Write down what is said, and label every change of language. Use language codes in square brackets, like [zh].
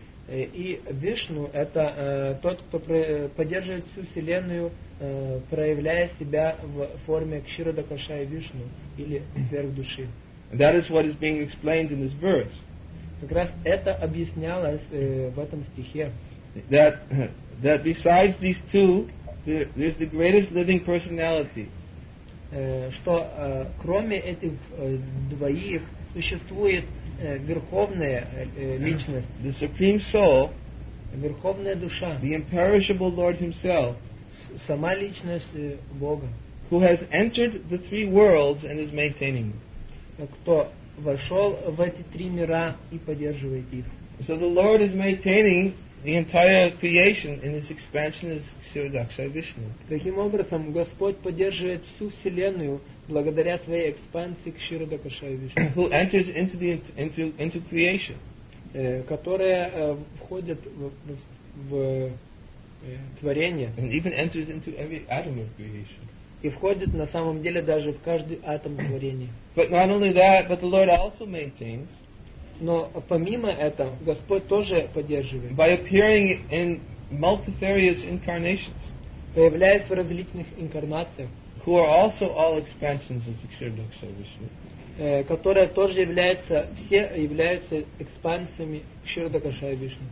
[ru] И Вишну — это тот, кто поддерживает всю Вселенную, проявляя себя в форме Кширадакшая Вишну, или сверхдуши. [en] That is what is being explained in this verse. [ru] Как раз это объяснялось в этом стихе. [en] That besides these two, there's the greatest living personality. [ru] Что кроме этих двоих существует Верховная Личность, [en] the Supreme Soul, [ru] Верховная Душа, [en] the imperishable Lord himself, [ru] сама Личность Бога, [en] who has entered the three worlds and is maintaining them. [ru] Кто вошел в эти три мира и поддерживает их. [en] So the Lord is maintaining the entire creation in his expansion as Kshiradakshaya Vishnu. [ru] Таким образом, Господь поддерживает всю Вселенную благодаря своей экспансии Кширадакшая Вишну. [en] Who enters into creation. [ru] Которая входит в творение. [en] And even enters into every atom of creation. [ru] И входит на самом деле даже в каждый атом творения. [en] But not only that, but the Lord also maintains. [ru] Но помимо этого, Господь тоже поддерживает. [en] By appearing in multifarious incarnations. [ru] Появляясь в различных инкарнациях. [en] Who are also all expansions of the Kshirdaksha Vishnu. [ru] Которые тоже являются, все являются экспансиями Кширдакша Вишну.